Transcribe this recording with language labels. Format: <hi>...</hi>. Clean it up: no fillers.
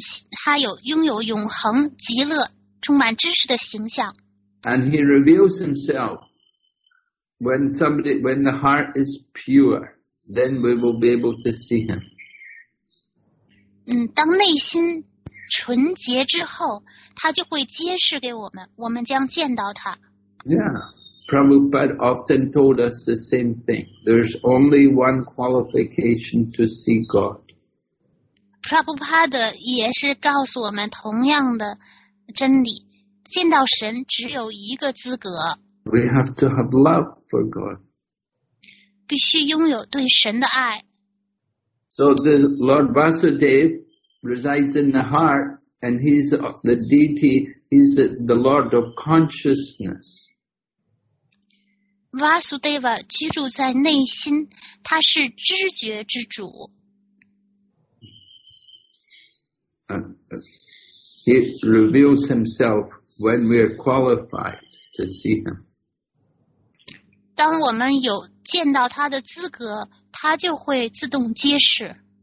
<zh>他有拥有永恒极乐充满知识的形象。</zh> <en>And he reveals himself when the heart is pure, then we will be able to see him.</en> <zh>当内心纯洁之后，他就会揭示给我们，我们将见到他。</zh> <en>Yeah, Prabhupada often told us the same thing. There's only one qualification to see God.</en> <zh>Prabhupada 也是告诉我们同样的真理，见到神只有一个资格。</zh> <en>We have to have love for God.</en> <zh>必须拥有对神的爱。</zh> <en>So the Lord Vasudeva resides in the heart, and he's the deity, he's the Lord of consciousness.</en> <zh>Vasudeva 居住在内心，他是知觉之主。</zh> <en>He reveals himself when we are qualified to see him.</en> <zh>当我们有见到他的资格，他就会自动揭示。</zh>